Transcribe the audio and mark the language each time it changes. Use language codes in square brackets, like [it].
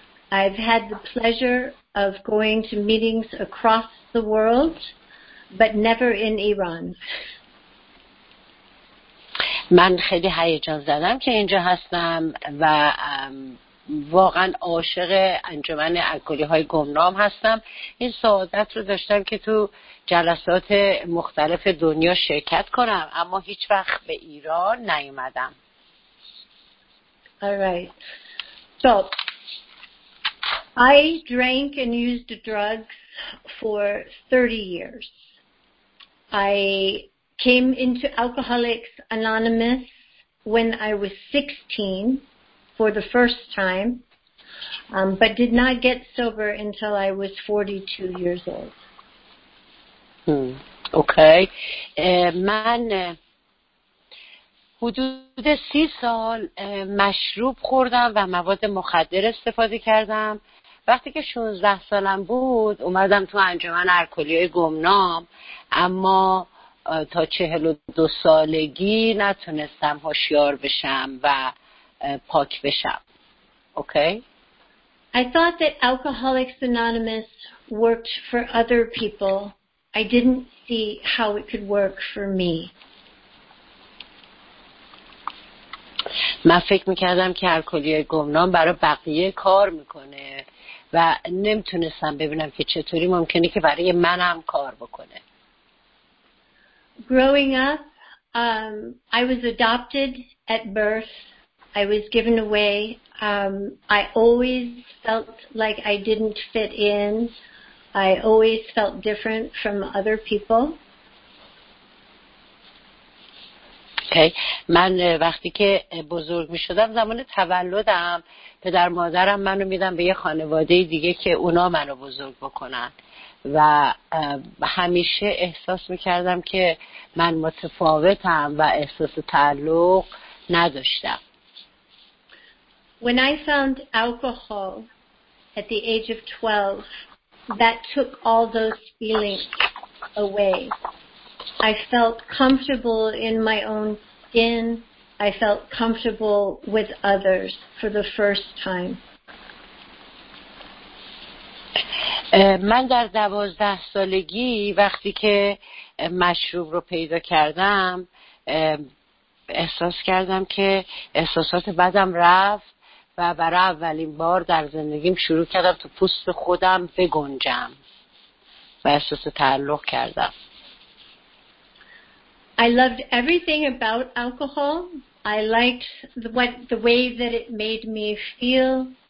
[en] I've had the pleasure of going to meetings across the world, but never in Iran. [fa] من خیلی هیجان زدم که اینجا هستم و واقعا عاشق انجمن الکلی های گمنام هستم. این سعادت رو داشتم که تو جلسات مختلف دنیا شرکت کنم، اما هیچ وقت به ایران نیومدم. [en] Alright. So I drank and used drugs for 30 years. I came into Alcoholics Anonymous when I was 16 for the first time, but did not get sober until I was 42 years old. Okay. [fa] من حدود 30 سال مشروب خوردم و مواد مخدر استفاده کردم. وقتی که 16 سالم بود اومدم تو انجمن الکلی‌های گمنام، اما تا 42 سالگی نتونستم هوشیار بشم و پاک بشم. [en] Okay? I thought that Alcoholics Anonymous worked for other people. I didn't see how it could work for me. [fa] من فکر میکردم که الکلی‌های گمنام برای بقیه کار میکنه و نمیتونستم ببینم که چطوری ممکنه که برای منم کار بکنه. [en] Growing up, I was adopted at birth. I was given away. I always felt like I didn't fit in. I always felt different from other people. Okay. [fa] من وقتی که بزرگ می شدم، زمان تولدم، پدر مادرم منو می دن به یه خانواده دیگه که اونا منو بزرگ بکنن. و همیشه احساس میکردم که من متفاوتم و احساس تعلق نداشتم. [en] When I found alcohol at the age of 12, that took all those feelings away. I felt comfortable in my own skin. I felt comfortable with others for the first time. [fa] من در 12 سالگی وقتی که مشروب رو پیدا کردم احساس کردم که احساسات بدم رفت و برای اولین بار در زندگیم شروع کردم تو پوست خودم بگنجم و احساس تعلق کردم. [en] I loved everything about alcohol. I liked the way that it made me feel.